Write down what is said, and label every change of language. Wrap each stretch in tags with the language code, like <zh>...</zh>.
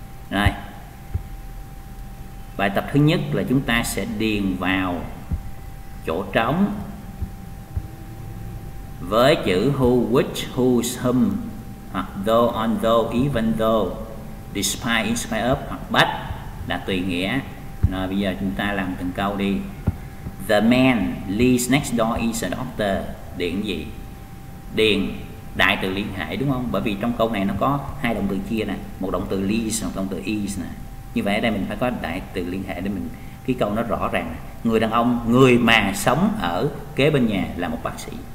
<vi>Rồi, bài tập thứ nhất là chúng ta sẽ điền vào chỗ trống với chữ who, which, whose, whom, hoặc though, on though, even though, despite, in spite of, hoặc but, là tùy nghĩa. Rồi bây giờ chúng ta làm từng câu đi.</vi> <en>The man lives next door is a doctor.</en> <vi>Điền gì? Điền đại từ liên hệ đúng không? Bởi vì trong câu này nó có hai động từ chia nè, một động từ lives, một động từ is nè. Như vậy ở đây mình phải có đại từ liên hệ để mình cái câu nó rõ ràng. Người đàn ông, người mà sống ở kế bên nhà là một bác sĩ.</vi>